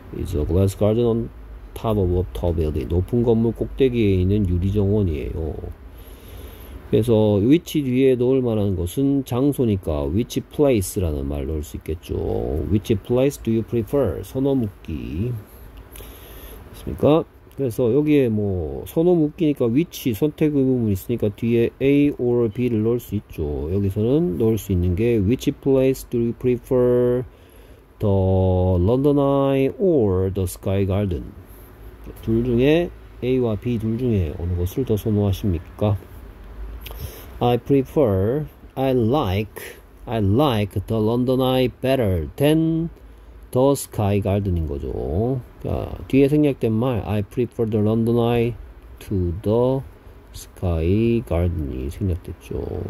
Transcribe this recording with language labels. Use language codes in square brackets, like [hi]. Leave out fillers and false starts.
[en] It's a glass garden on top of a tall building. [ko] 높은 건물 꼭대기에 있는 유리 정원이에요. 그래서 위치 뒤에 넣을 만한 것은 장소니까 위치 플레이스라는 말 넣을 수 있겠죠. [en] Which place do you prefer? [ko] 선호 묻기. 있습니까? 그래서 여기에 뭐 선호 묻기니까 위치 선택의 부분이 있으니까 뒤에 A or B를 넣을 수 있죠. 여기서는 넣을 수 있는 게 [en] Which place do you prefer? The London Eye or the Sky Garden? [ko] 둘 중에 A와 B 둘 중에 어느 것을 더 선호하십니까? [en] I prefer, I like the London Eye better than the Sky Garden인 거죠. [ko] 자, 뒤에 생략된 말, [en] I prefer the London Eye to the Sky Garden이 생략됐죠.